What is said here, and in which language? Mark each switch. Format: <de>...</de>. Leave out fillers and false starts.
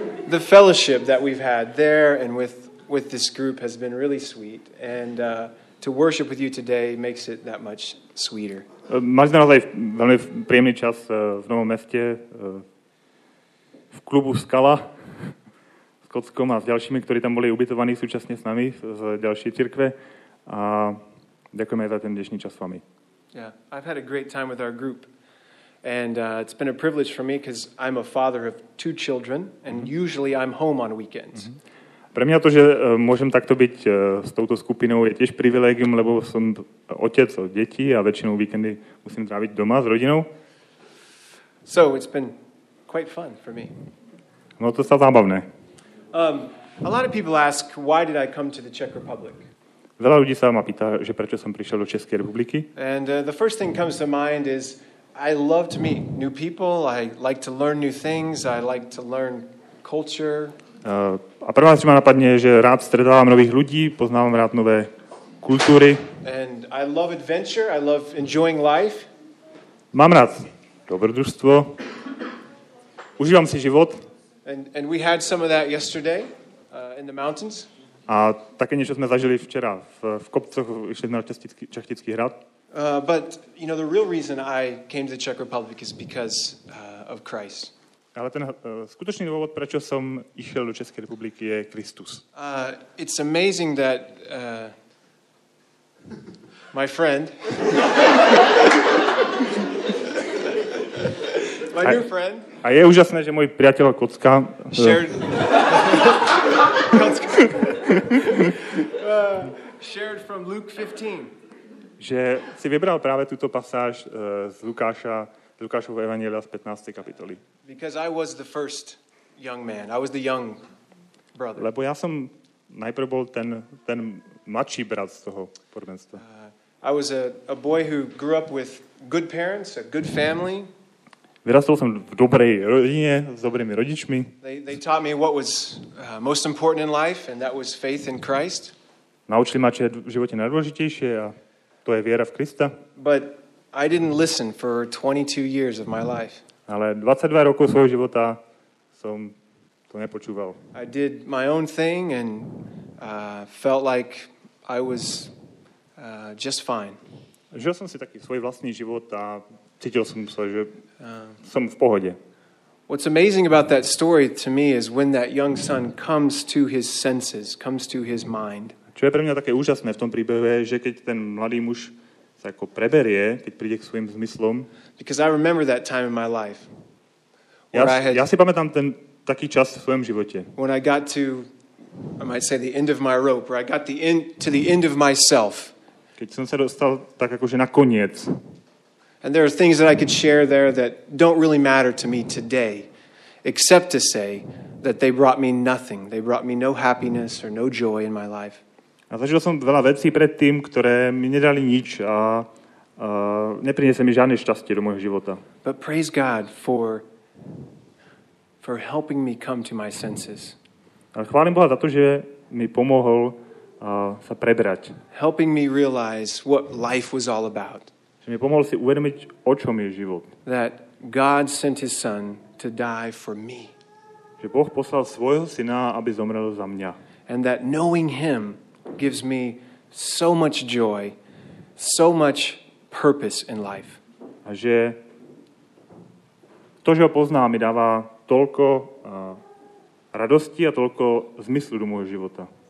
<en>the fellowship that we've had there and with this group has been really sweet, and to worship with you today makes it that much sweeter.</en> <sk>Máme naozaj veľmi príjemný čas v Novom meste, v klubu Skala s Kockom a s ďalšími, ktorí tam boli ubytovaní súčasne s nami z ďalšej cirkve. A ďakujeme za ten dnešný čas s vami.</sk> <en>Yeah, I've had a great time with our group. And it's been a privilege for me because I'm a father of two children and usually I'm home on weekends.</en> <sk>Pre mňa to, že môžem takto byť s touto skupinou, je tiež privilégium, lebo som otec od detí a väčšinou víkendy musím tráviť doma s rodinou.</sk> <en>So it's been quite fun for me.</en> <sk>No to sa zábavné.</sk> <en>A lot of people ask why did I come to the Czech Republic?</en> <sk>Veľa ľudí sa ma pýta, že prečo som prišiel do Českej republiky.</sk> <en>And the first thing comes to mind is I love to meet new people, I like to learn new things, I like to learn culture.</en> <sk>A prvá, čo ma napadne, je, že rád stretávam nových ľudí, poznávam rád nové kultúry.</sk> <en>And I love adventure, I love enjoying life.</en> <sk>Mám rád dobrodružstvo. Užívam si život.</sk> <en>And we had some of that yesterday in the mountains.</en> <sk>A také niečo sme zažili včera v kopcoch, išli sme na Čechtický hrad.</sk> <en>But you know the real reason I came to the Czech Republic is because of Christ.</en> <sk>Ale ten skutočný dôvod, prečo som išiel do Českej republiky, je Kristus.</sk> <en>It's amazing that my friend my new friend.</en> <sk>A je úžasné, že môj priateľ Kocka</sk> <en>shared from Luke 15.</en> <sk>Že si vybral práve túto pasáž z Lukášovho evanjelia z 15. kapitoly.</sk> <en>Because I was the first young man. I was the young brother.</en> <sk>Lebo ja som najprv bol ten mladší brat z toho podobenstva.</sk> <en>I was a boy who grew up with good parents, a good family.</en> <sk>Vyrastol som v dobrej rodine, s dobrými rodičmi.</sk> <en>They taught me what was most important in life, and that was faith in Christ.</en> <sk>Naučili ma, čo je v živote najdôležitejšie, a to je viera v Krista.</sk> <en>But I didn't listen for 22 years of my life.</en> <sk>Ale 22 rokov svojho života som to nepočúval.</sk> <en>I did my own thing and felt like I was just fine.</en> <sk>Žil som si taký svoj vlastný život a cítil som sa, že som v pohode.</sk> <en>What's amazing about that story to me is when that young son comes to his senses, comes to his mind.</en> <sk>Čo je pre mňa také úžasné v tom príbehu je, že keď ten mladý muž sa ako preberie, keď príde k svojim zmyslom.</sk> <en>Because I remember that time in my life.</en> <sk>Ja si pamätám ten taký čas v svojom živote.</sk> <en>When I got to, I might say, the end of my rope, where I got the end, to the end of myself.</en> <sk>Keď som sa dostal tak akože na koniec.</sk> <en>And there are things that I could share there that don't really matter to me today, except to say that they brought me nothing. They brought me no happiness or no joy in my life.</en> <sk>A zažil som veľa vecí predtým, ktoré mi nedali nič a neprinesie mi žiadne šťastie do môjho života.</sk> <en>But praise God for helping me come to my senses.</en> <sk>A chválim Boha za to, že mi pomohol sa prebrať.</sk> <en>Helping me realize what life was all about.</en> <sk>Že mi pomohol si uvedomiť, o čom je život.</sk> <en>That God sent his son to die for me.</en> <sk>Že Boh poslal svojho syna, aby zomrel za mňa.</sk> <en>And that knowing him gives me so much joy, so much purpose in life.</en> <sk>A že to, že ho poznám, mi dáva toľko radosti a toľko zmyslu do môjho života.</sk>